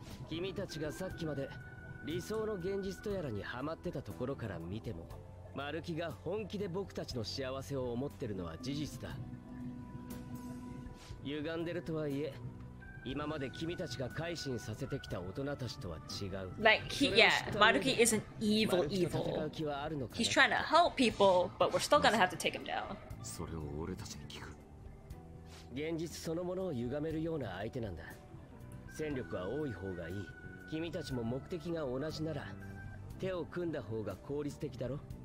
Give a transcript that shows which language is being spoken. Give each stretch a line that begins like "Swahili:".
Japanese: 君たちがさっきまで理想の現実とやらにハマってたところから見ても、マルキが本気で僕たちの幸せを思ってるのは事実だ。歪んでるとはいえ、今まで君たちが改心させてきた大人たちとは違う。
English: Like, Maruki isn't evil evil. He's trying to help people, but we're still gonna have to take him down.
Japanese: それを俺たちに聞く。現実そのものを歪めるような相手なんだ。戦力は多い方がいい。君たちも目的が同じなら手を組んだ方が効率的だろ。